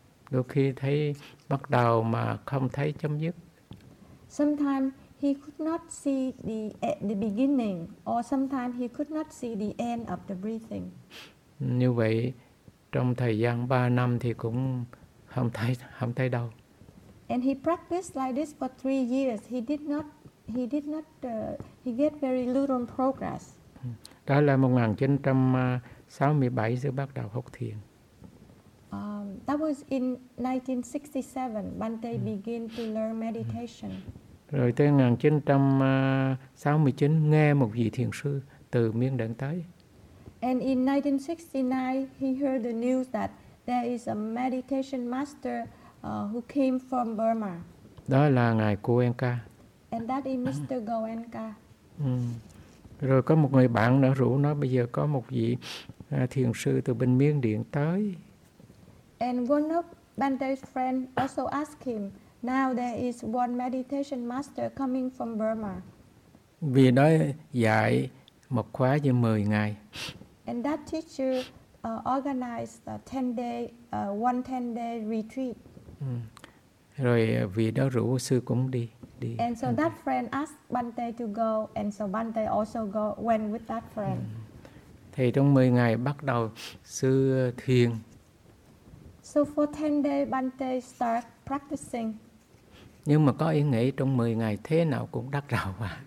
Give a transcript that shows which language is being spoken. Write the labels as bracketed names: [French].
[Vietnamese] Đôi khi thấy bắt đầu mà không thấy chấm dứt. [English] Sometimes he could not see the beginning, or sometimes he could not see the end of the breathing. [Vietnamese] Như vậy, trong thời gian 3 năm thì cũng không thấy đâu. [English] And he practiced like this for 3 years. He get very little progress. [Vietnamese] Đó là 1967 sư bắt đầu học thiền. [English] That was in 1967. Bhante began to learn meditation. [Vietnamese] Rồi tới 1969 nghe một vị thiền sư từ Miên Điện tới. [English] And in 1969 he heard the news that there is a meditation master who came from Burma. [Vietnamese] Đó là ngài Goenka. [English] And that is Mr. Goenka. [Vietnamese] Rồi có một người bạn đã rủ nó bây giờ có một vị thiền sư từ bên Miên Điện tới. [English] And one of Bhante's friend also asked him, now there is one meditation master coming from Burma. [Vietnamese] Vì đó dạy một khóa như 10 ngày. [English] And that teacher organized a 10-day retreat. [Vietnamese] Rồi vì đó rủ sư cũng đi. [English] And so that friend asked Bhante to go, and so Bhante also went with that friend. [Vietnamese] Thì trong 10 ngày bắt đầu sư thiền. [English] So for 10 days, Bhante start practicing. [Vietnamese] Nhưng mà có ý nghĩ trong 10 ngày thế nào cũng đắc đạo quá.